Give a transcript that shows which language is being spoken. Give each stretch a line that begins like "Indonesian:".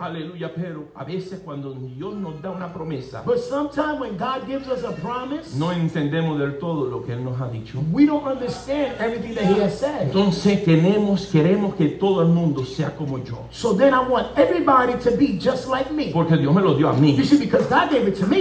Spanish: Aleluya, pero a veces cuando Dios nos da una promesa,
English: but sometimes when God gives us a promise,
Spanish: no entendemos del todo lo que él nos ha dicho.
English: We don't understand everything that he has said.
Spanish: Entonces queremos que todo el mundo sea como yo.
English: So then I want everybody to be just like me.
Spanish: Porque Dios me lo dio a mí.
English: You see, because God gave it to me.